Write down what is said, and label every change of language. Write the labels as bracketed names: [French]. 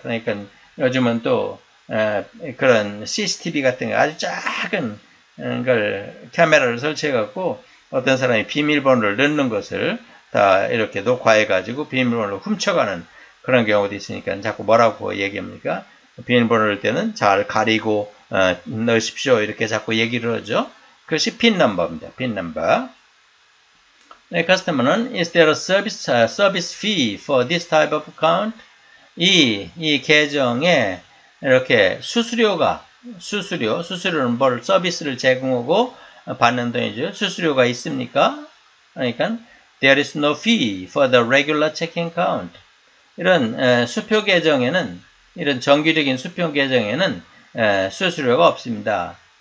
[Korean] 그러니까 요즘은 또 그런 CCTV 같은 거 아주 작은 걸 카메라를 설치해갖고 어떤 사람이 비밀번호를 넣는 것을 다 이렇게 녹화해가지고 비밀번호를 훔쳐가는 그런 경우도 있으니까 자꾸 뭐라고 얘기합니까? 비밀번호 넣을 때는 잘 가리고 넣으십시오. 이렇게 자꾸 얘기를 하죠. 그것이 핀넘버입니다. 핀넘버. [English] The customer는 is there a service fee for this type of account? [Korean] 이 계정에 이렇게 수수료는 뭘 서비스를 제공하고 받는 돈이죠. 수수료가 있습니까? 그러니까 [English] there is no fee for the regular checking account. [Korean] 이런 수표 계정에는 이런 정규적인 수표 계정에는 수수료가 없습니다.